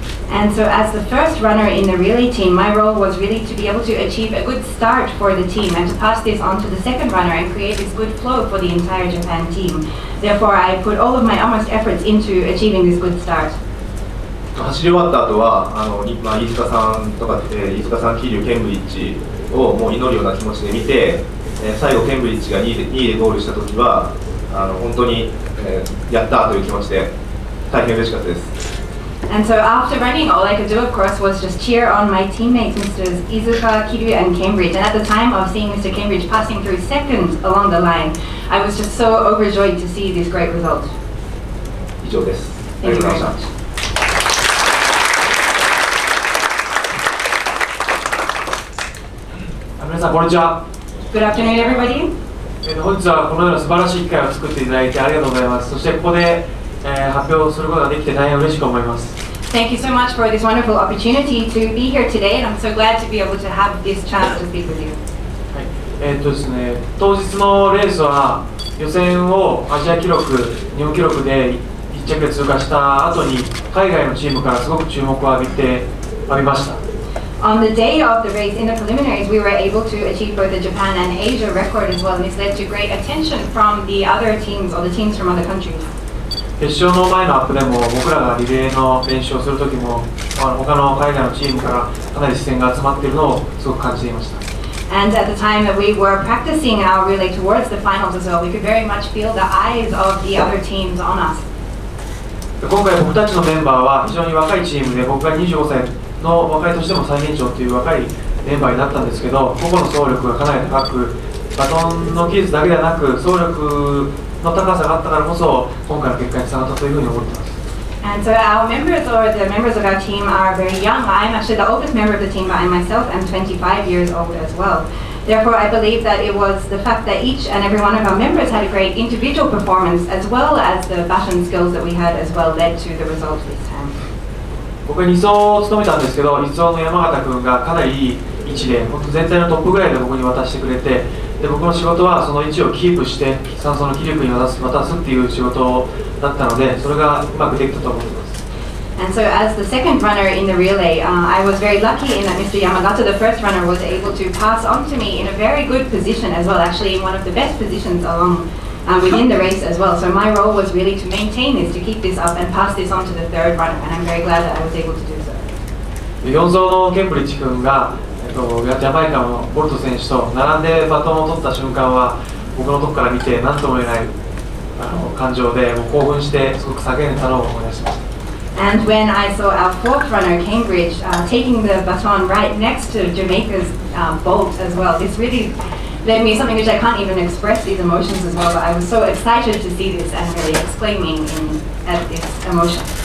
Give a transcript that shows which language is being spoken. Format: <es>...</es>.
<en>And so as the first runner in the relay team, my role was really to be able to achieve a good start for the team and to pass this on to the second runner and create this good flow for the entire Japan team. Therefore, I put all of my utmost efforts into achieving this good start.</en> <ja>走り終わった後は、あの、まあ、飯塚さんとか、飯塚さん、桐生、ケンブリッジをもう祈るような気持ちで見て、最後ケンブリッジが2位でゴールした時は、あの、本当に、やったという気持ちで大変嬉しかったです。</ja> <en>And so after running, all I could do, of course, was just cheer on my teammates, Mr. Izuka, Kiryu, and Cambridge. And at the time of seeing Mr. Cambridge passing through second along the line, I was just so overjoyed to see this great result.</en> <ja>以上です。</ja> <en>Thank you very much.</en> <ja>みなさん、こんにちは。</ja> <en>Good afternoon, everybody.</en> <ja>本日はこのような素晴らしい機会を作っていただいてありがとうございます。そしてここで発表することができて大変嬉しく思います。</ja> <en>Thank you so much for this wonderful opportunity to be here today and I'm so glad to be able to have this chance to speak with you、</en> <ja>はい、当日のレースは予選をアジア記録、日本記録で1着で通過した後に海外のチームからすごく注目を浴びました。</ja> <en>On the day of the race, in the preliminaries, we were able to achieve both the Japan and Asia record as well and this led to great attention from the other teams or the teams from other countries。</en> <ja>決勝の前のアップでも僕らがリレーの練習をするときも他の海外のチームからかなり視線が集まっているのをすごく感じていました。</ja> <en>And at the time that we were practicing our relay towards the finals as well, we could very much feel the eyes of the other teams on us.</en> <ja>今回僕たちのメンバーは非常に若いチームで、僕が25歳の若いとしても最年長という若いメンバーになったんですけど、個々の走力がかなり高く、バトンの技術だけではなく走力の高さがあったからこそ今回の結果につながったというふうに思っています。</ja> <en>And so our members or the members of our team are very young. I'm actually the oldest member of the team, but I myself am 25 years old as well. Therefore, I believe that it was the fact that each and every one of our members had a great individual performance as well as the baton skills that we had as well led to the result this time.</en> <ja>僕は2走を務めたんですけど、1走の山形君がかなりいい位置で、本当全体のトップぐらいで僕に渡してくれて、で僕の仕事はその位置をキープして3走の桐生君に渡すっていう仕事だったので、それがうまくできたと思います。</ja> <en>And so as the second runner in the relay, I was very lucky in that Mr. Yamagata, the first runner, was able to pass on to me in a very good position as well, actually in one of the best positions along within the race as well. So my role was really to maintain this, to keep this up and pass this on to the third runner, and I'm very glad that I was able to do so.</en> <ja>4走のケンブリッジ君がジャマイカのボルト選手と並んでバトンを取った瞬間は、僕のとこから見て何とも言えない感情で、もう興奮してすごく叫んでたのを思い出しました。</ja> <en>And when I saw our fourth runner, Cambridge, taking the baton right next to Jamaica's Bolt as well, this really led me something which I can't even express these emotions as well, but I was so excited to see this and really exclaiming at this emotion.</en>